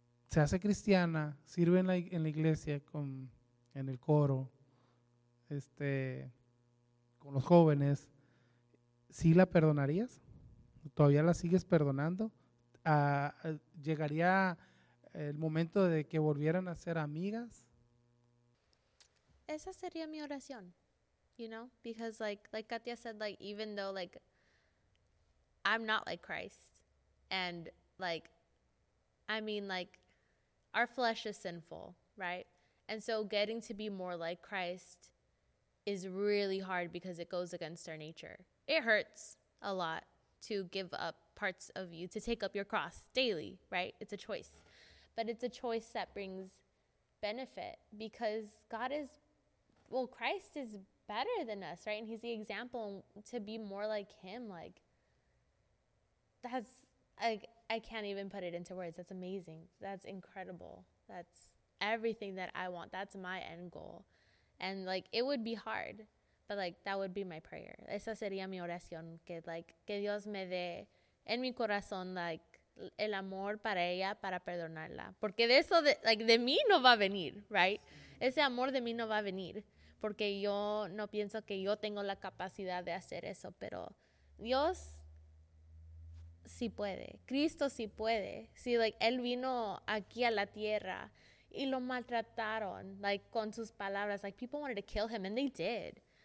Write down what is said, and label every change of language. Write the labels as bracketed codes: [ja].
[es] Se hace cristiana, sirve en la iglesia, en el coro, con los jóvenes, ¿sí la perdonarías? ¿Todavía la sigues perdonando? ¿Llegaría el momento de que volvieran a ser amigas? Esa sería mi oración, [en] you know, because like Katia said, like even though like I'm not like Christ, and like I mean like our flesh is sinful, right? And so getting to be more like Christ is really hard because it goes against our nature. It hurts a lot to give up parts of you, to take up your cross daily, right? It's a choice. But it's a choice that brings benefit because God is, well, Christ is better than us, right? And he's the example to be more like him. Like, that's, I can't even put it into words. That's amazing. That's incredible. That's everything that I want. That's my end goal. And, like, it would be hard, but, like, that would be my prayer. [es] Esa sería mi oración, que, like, que Dios me dé en mi corazón, like, el amor para ella, para perdonarla. Porque de eso, de mí no va a venir, right? Ese amor de mí no va a venir, porque yo no pienso que yo tengo la capacidad de hacer eso, pero Dios sí puede. Cristo sí puede. Sí, like, Él vino aquí a la tierra, y lo maltrataron, like, con sus palabras. [en] Like, people wanted to kill him, and they did.